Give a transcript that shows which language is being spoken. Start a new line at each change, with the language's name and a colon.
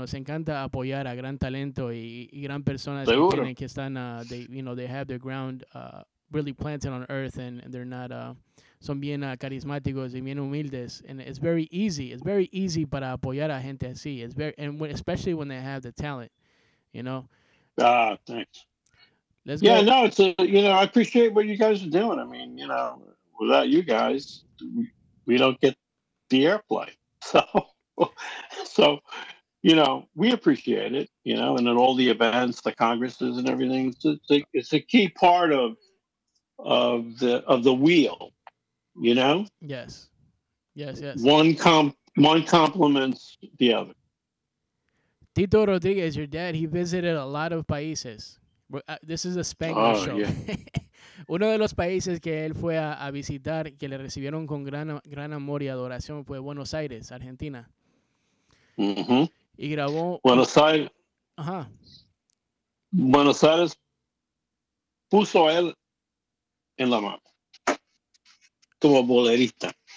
Spanish: Nos encanta apoyar a gran talento y gran personas que están.
English: They have their ground. Really planted on earth, and they're not
Spanish: son bien carismáticos y bien humildes,
English: and it's very easy. It's very easy
Spanish: para apoyar a gente así.
English: It's very especially when they have the talent, you know. Ah, thanks. Let's yeah, go. Yeah, no, it's I appreciate what you guys are doing. I mean, you know, without you guys, we don't get the airplay. So, you know, we appreciate it. You know, and at all the events, the congresses, and everything, it's a key part of the wheel, you know. Yes. One complements the other. Tito Rodriguez, your dad, he visited a lot of países. This is a Spanish show. Yeah.
Spanish: Uno de los países que él fue a visitar, que le recibieron con gran amor y adoración, fue Buenos Aires, Argentina. Mm-hmm. Y grabó Buenos Aires. Ajá. Buenos Aires puso a él en la mano, como bolerista.